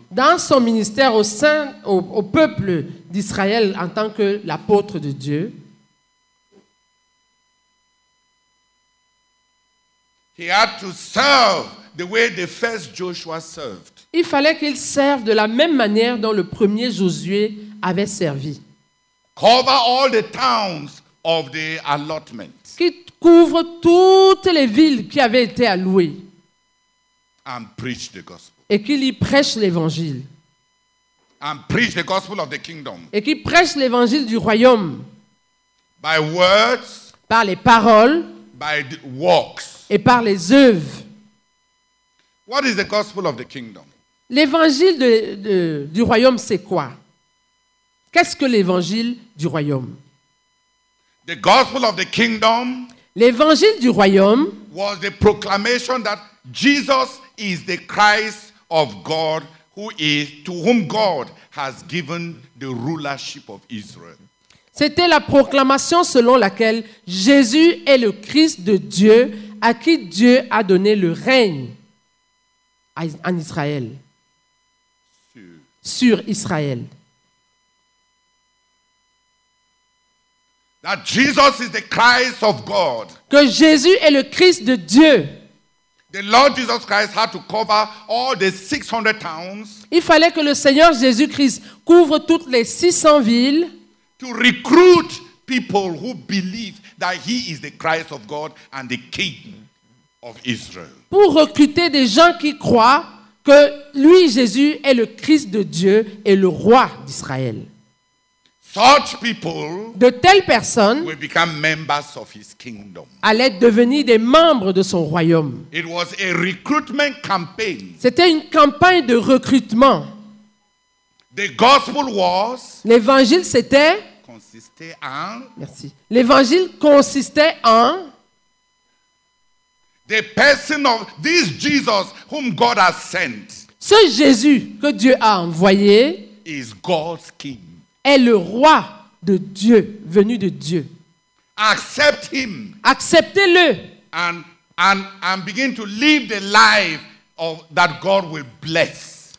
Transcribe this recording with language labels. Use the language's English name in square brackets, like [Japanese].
[French] Dans son ministère au sein, au peuple d'Israël, en tant que l'apôtre de Dieu. [English] He had to serve the way the first Joshua served. [French] Il fallait qu'il serve de la même manière dont le premier Josué avait servi. [English] Cover all the towns of the allotment. [French] Qui couvre toutes les villes qui avaient été allouées. [English] And preach the gospel. [French] Et qu'il y prêche l'évangile. [English] And preach the gospel of the kingdom. [French] Et qu'il prêche l'évangile du royaume. [English] By words. [French] Par les paroles. [English] By the works. [French] Et par les œuvres. [English] What is the gospel of the kingdom? [French] L'évangile du royaume, c'est quoi? Qu'est-ce que l'évangile du royaume? [English] The gospel of the kingdom. [French] L'évangile du royaume. [English] Was the proclamation that Jesus is the Christ of God, to whom God has given the rulership of Israel. [French] C'était la proclamation selon laquelle Jésus est le Christ de Dieu, à qui Dieu a donné le règne en Israël. Sur Israël. [English] That Jesus is the Christ of God. [French] Que Jésus est le Christ de Dieu. [English] The Lord Jesus Christ had to cover all the 600 towns. [French] Il fallait que le Seigneur Jésus-Christ couvre toutes les 600 villes. [English] To recruit people who believe that he is the Christ of God and the King of Israel. [French] Pour recruter des gens qui croient que lui, Jésus, est le Christ de Dieu et le roi d'Israël. [English] Such people, [French] de telles personnes, [English] will become members of his kingdom. [French] Allaient devenir des membres de son royaume. [English] It was a recruitment campaign. [French] C'était une campagne de recrutement. [English] The gospel was, [French] l'évangile c'était, consistait en, merci. L'évangile consistait en, [English] the person of this Jesus whom God has sent. [French] Ce Jésus que Dieu a envoyé [English] is God's king. [French] Est le roi de Dieu, venu de Dieu. [English] Accept him. [French] Acceptez-le. [English] And begin to live the life of that God will bless.